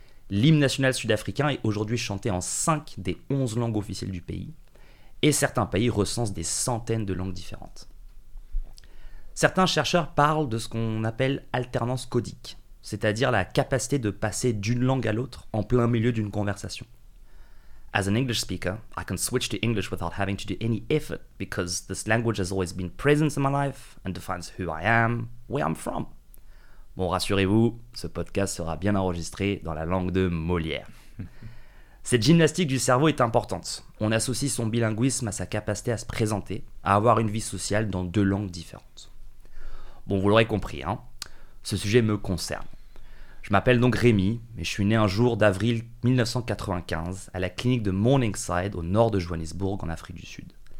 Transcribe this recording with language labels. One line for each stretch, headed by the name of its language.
French: L'hymne national sud-africain est aujourd'hui chanté en 5 des 11 langues officielles du pays, et certains pays recensent des centaines de langues différentes. Certains chercheurs parlent de ce qu'on appelle alternance codique, c'est-à-dire la capacité de passer d'une langue à l'autre en plein milieu d'une conversation.
English: As an English speaker, I can switch to English without having to do any effort because this language has always been present in my life and defines who I am, where I'm from.
French: Bon, rassurez-vous, ce podcast sera bien enregistré dans la langue de Molière. Cette gymnastique du cerveau est importante. On associe son bilinguisme à sa capacité à se présenter, à avoir une vie sociale dans deux langues différentes. Bon, vous l'aurez compris, hein. Ce sujet me concerne. Je m'appelle donc Rémi, mais je suis né un jour d'avril 1995 à la clinique de Morningside, au nord de Johannesburg, en Afrique du Sud.